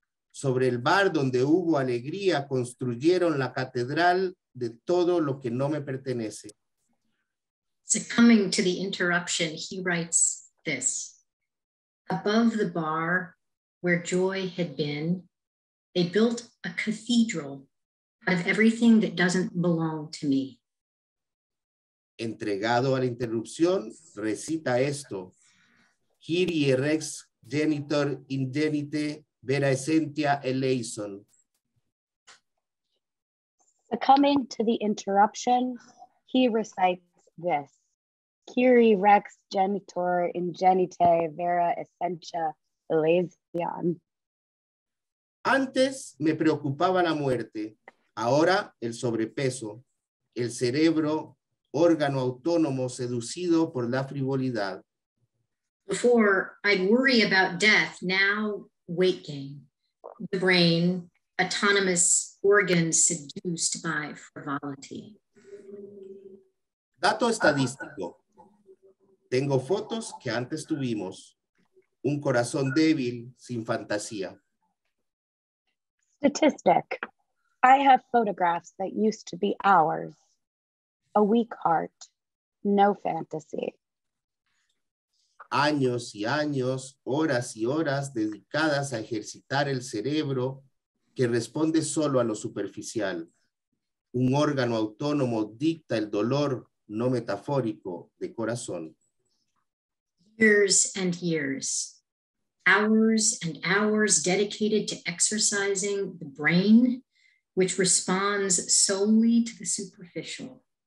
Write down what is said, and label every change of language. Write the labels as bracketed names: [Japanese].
[Spanish] Sobre el bar donde hubo alegría, construyeron la catedral de todo lo que no me pertenece. [English] Succumbing to the interruption, he writes this. Above the bar, where joy had been, they built a cathedral out of everything that doesn't belong to me. [Spanish] Entregado a la interrupción, recita esto. [Latin] Kyrie rex genitor ingenite vera essentia eleison. [English] Succumbing to the interruption, he recites this. [Latin] Kyrie rex genitor ingenite vera essentia eleison. [Spanish] Antes me preocupaba la muerte, ahora el sobrepeso, el cerebro, órgano autónomo seducido por la frivolidad. [English] Before, I'd worry about death, now weight gain. The brain, autonomous organ seduced by frivolity. [Spanish] Dato estadístico. Tengo fotos que antes tuvimos. Un corazón débil sin fantasía. [English] Statistic. I have photographs that used to be ours. A weak heart, no fantasy. [Spanish] Años y años, horas y horas dedicadas a ejercitar el cerebro que responde solo a lo superficial. Un órgano autónomo dicta el dolor no metafórico de corazón. [English] Years and years. Hours and hours dedicated to exercising the brain, which responds solely to the superficial.